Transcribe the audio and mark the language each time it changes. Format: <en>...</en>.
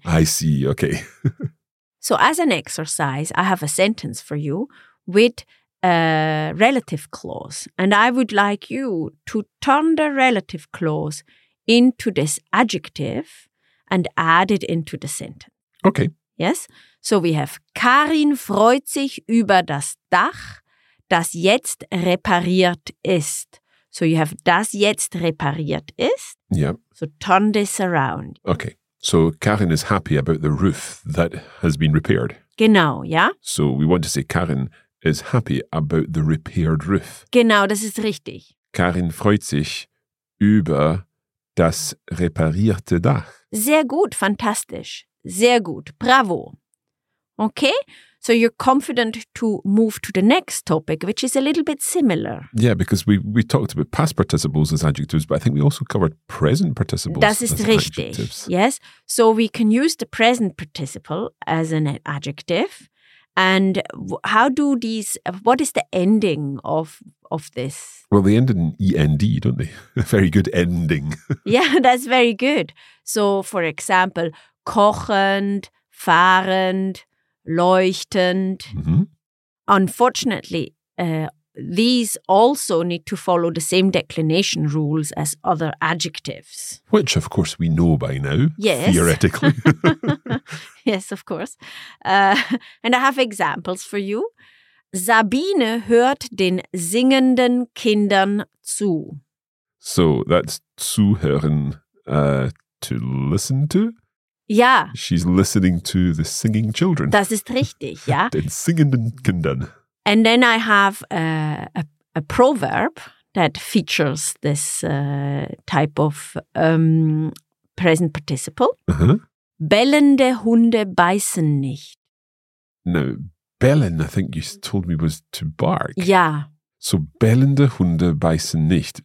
<en>I see, okay. So as an exercise, I have a sentence for you with a relative clause. And I would like you to turn the relative clause into this adjective and add it into the sentence. Okay. Yes? So we have</en> <de>Karin freut sich über das Dach, das jetzt repariert ist.</de> <en>So you have</en> <de>das jetzt repariert ist.</de> <en>Yeah. So turn this around. Okay. So Karin is happy about the roof that has been repaired.</en> <de>Genau, yeah.</de> <en>So we want to say Karin is happy about the repaired roof.</en> <de>Genau, das ist richtig. Karin freut sich über das reparierte Dach. Sehr gut, fantastisch. Sehr gut, bravo.</de> <en>Okay, so you're confident to move to the next topic, which is a little bit similar. Yeah, because we talked about past participles as adjectives, but I think we also covered present participles</en> <de>das ist</de> <en>as</en> <de>richtig.</de> <en>Adjectives. Yes, so we can use the present participle as an adjective. And how do these, what is the ending of this? Well, they end in E-N-D, don't they? A very good ending. Yeah, that's very good. So, for example, kochend, fahrend, leuchtend. Mm-hmm. Unfortunately, these also need to follow the same declination rules as other adjectives. Which, of course, we know by now, yes. Theoretically. Yes, of course. And I have examples for you.</en> <de>Sabine hört den singenden Kindern zu.</de> <en>So that's zuhören, to listen to?</en> <de>Ja.</de> <en>She's listening to the singing children.</en> <de>Das ist richtig, ja. Den singenden Kindern.</de> <en>And then I have a proverb that features this type of present participle. Uh-huh.</en> <de>Bellende Hunde beißen nicht.</de> <en>Now, bellen, I think you told me, was to bark. Yeah.</en> <de>So, bellende Hunde beißen nicht.</de>